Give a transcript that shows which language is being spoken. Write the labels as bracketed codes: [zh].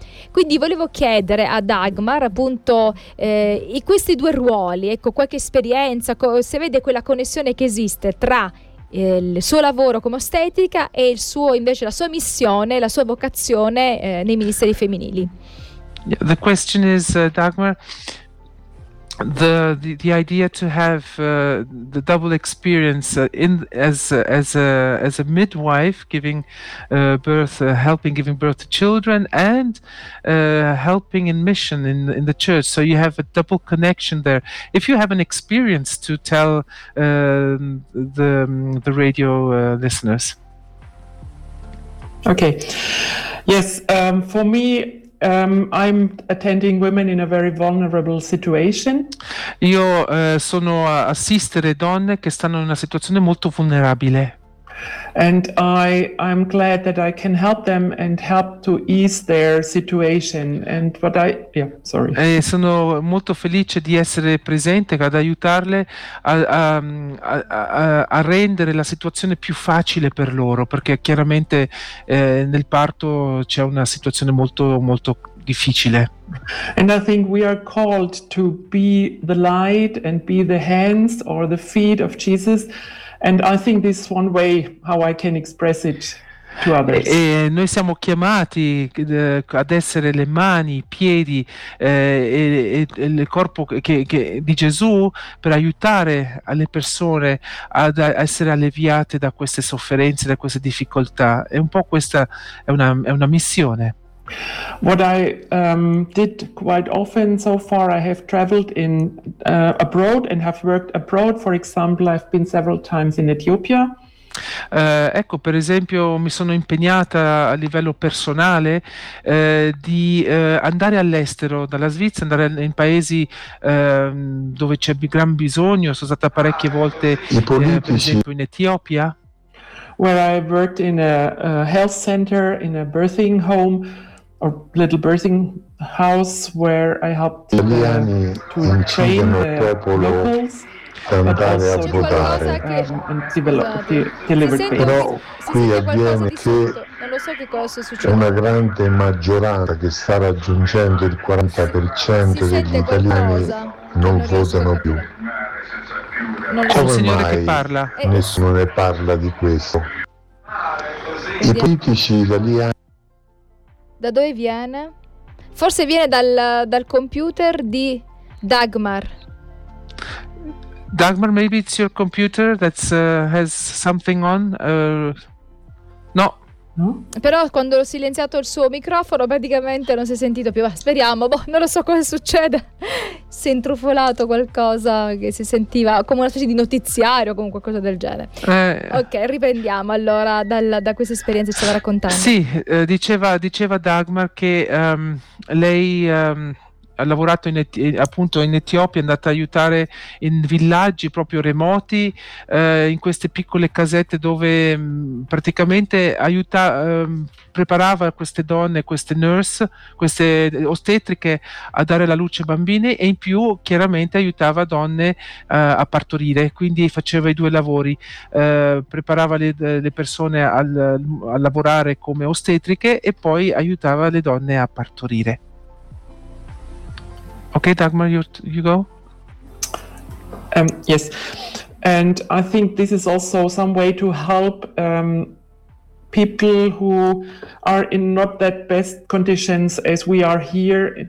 [it] Quindi volevo chiedere a Dagmar, appunto, in questi due ruoli, ecco, qualche esperienza, se vede quella connessione che esiste tra il suo lavoro come ostetica e il suo, invece, la sua missione, la sua vocazione nei ministeri femminili. [en] The question is, Dagmar, the idea to have the double experience as a midwife giving birth helping giving birth to children and helping in mission in the church, so you have a double connection there. If you have an experience to tell the radio listeners. Okay, yes, for me I'm attending women in a very vulnerable situation. [it] Io sono a assistere donne che stanno in una situazione molto vulnerabile. [en] And I'm glad that I can help them and help to ease their situation. And what I yeah, sorry. [it] E sono molto felice di essere presente ad aiutarle a rendere la situazione più facile per loro, perché chiaramente nel parto c'è una situazione molto molto difficile. [en] And I think we are called to be the light and be the hands or the feet of Jesus. And I think this one way how I can express it. to others. [it] E noi siamo chiamati ad essere le mani, i piedi e il corpo che di Gesù per aiutare le persone ad essere alleviate da queste sofferenze, da queste difficoltà. È un po' questa, è una missione. [en] What I did quite often so far, I have traveled in abroad and have worked abroad. For example, I've been several times in Ethiopia. [it] Ecco, per esempio, mi sono impegnata a livello personale di andare all'estero, dalla Svizzera, andare in paesi dove c'è gran bisogno. Sono stata parecchie volte, per esempio, in Etiopia. [en] Where I worked in a health center, in a birthing home, or little birthing house, where I helped to train the locals. [it] Andare a votare però qui avviene che una grande maggioranza che sta raggiungendo il 40% degli italiani non votano più. Come mai nessuno ne parla di questo? I politici italiani, da dove viene? Forse viene dal computer di Dagmar. [en] Dagmar, maybe it's your computer that has something on. No. [it] Però quando ho silenziato il suo microfono praticamente non si è sentito più. Speriamo, non lo so cosa succede. Si è intrufolato qualcosa che si sentiva come una specie di notiziario, comunque qualcosa del genere. Ok, riprendiamo allora da questa esperienza che stava raccontando. Sì, diceva Dagmar che lei ha lavorato appunto in Etiopia, è andata ad aiutare in villaggi proprio remoti, in queste piccole casette dove praticamente preparava queste donne, queste nurse, queste ostetriche a dare la luce ai bambini, e in più chiaramente aiutava donne a partorire, quindi faceva i due lavori, preparava le persone a lavorare come ostetriche e poi aiutava le donne a partorire. [en] Okay, Dagmar, you go. Yes, and I think this is also some way to help people who are in not that best conditions as we are here.